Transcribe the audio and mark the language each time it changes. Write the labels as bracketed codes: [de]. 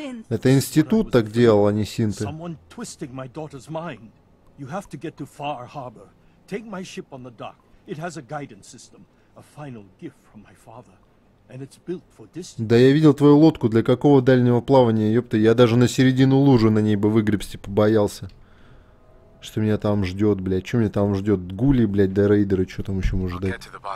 [ru] Это институт так делал, а не синты. [en] Someone twisting my daughter's mind. You have to get to Far Harbor. Take my ship on the dock. It has a guidance system. A final gift from my father. And it's built for distance. [ru] Да я видел твою лодку, для какого дальнего плавания, ёпта, я даже на середину лужи на ней бы выгребсти побоялся. Что меня там ждет, блядь, что меня там ждет? Гули, блядь, да рейдеры, что там еще может ждать?